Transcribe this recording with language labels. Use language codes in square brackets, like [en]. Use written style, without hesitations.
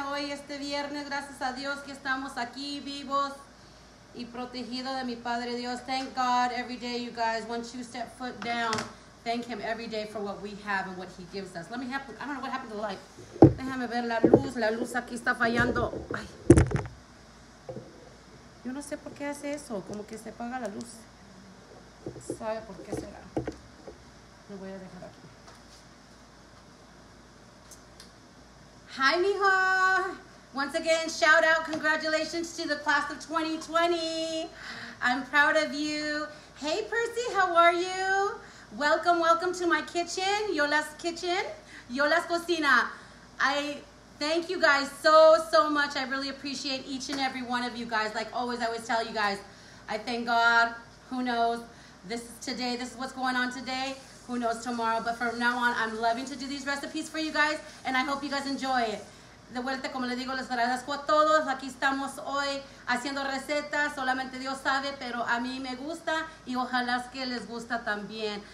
[es] Hoy, este viernes, gracias a Dios que estamos aquí vivos y protegidos de mi Padre Dios. [en] Thank God every day, you guys. Once you step foot down, thank Him every day for what we have and what He gives us. Let me have, I don't know what happened to the light. [es] Déjame ver la luz. La luz aquí está fallando. Ay. Yo no sé por qué hace eso, como que se apaga la luz. ¿Sabe por qué será? Lo voy a dejar aquí. [en] Hi, mijo. Once again, shout out, congratulations to the class of 2020. I'm proud of you. Hey, Percy, how are you? Welcome, welcome to my kitchen, Yola's kitchen, Yola's cocina. Thank you guys so, so much. I really appreciate each and every one of you guys. Like always, I always tell you guys, I thank God. Who knows? This is today. This is what's going on today. Who knows tomorrow? But from now on, I'm loving to do these recipes for you guys, and I hope you guys enjoy it. [es] De vuelta, como le digo, les agradezco a todos. Aquí estamos hoy haciendo recetas. Solamente Dios sabe, pero a mí me gusta, y ojalá que les gusta también.